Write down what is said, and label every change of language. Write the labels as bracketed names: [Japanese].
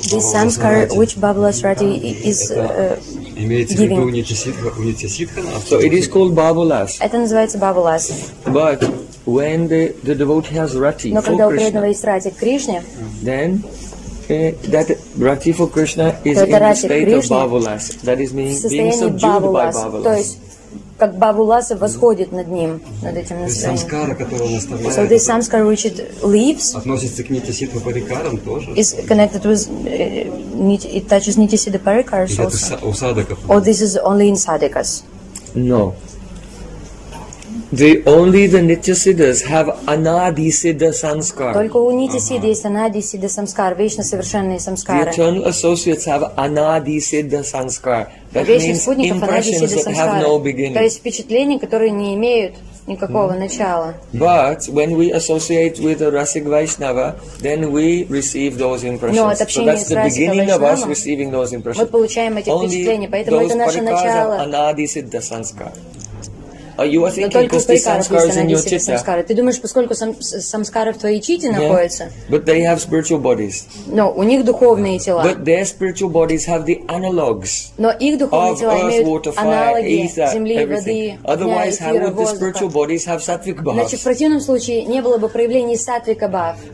[English] This samskara, which bhavala srati is giving. So it is called bhavalas. [Russian] Это называется bhavalas. [English] But when the devotee has rati for Krishna. [Russian] Но когда у преданного есть рати к Кришне. [English] Then that rati for Krishna is in the state of bhavalas. That is meaning being subdued by bhavalas. [Russian] То есть как бхаваласа восходит над ним, над этим настроением. Самскара, которую он оставляет. [English] So this samskara which it leaves. [Russian] Относится к нитисиддха парикарам тоже. [English] Is connected with it touches nitisiddha parikaras also. [Russian] Садаков. [English] Or this is only in sadhakas. No. The only the nityasiddhas have anadi siddha samskara. [Russian] Только у нитисидды есть анади сидда самскар, вечно совершенные самскары. [English] The eternal associates have anadi siddha samskara. That means impressions that have no beginning. [Russian] То есть впечатления, которые не имеют никакого начала. [English] But when we associate with a rasik vaishnava, then we receive those impressions. [Russian] Но от общения с расика [English] вайшнава. So that's the beginning of us receiving those impressions. [Russian] Мы получаем эти впечатления, поэтому это наше начало. [English] Anadi siddha samskara. You are thinking because the samskara is in your chitta. [Russian] Ты думаешь, поскольку самскара в твоей чите находится? [English] But they have spiritual bodies. No, [Russian] у них духовные тела. [English] But their spiritual bodies have the analogs. [Russian] Но их духовные тела имеют аналоги земли, воды. [English] Otherwise, how would the spiritual bodies have sattvic bhav? [Russian] Значит, в противном случае не было бы проявлений сатвика бхав.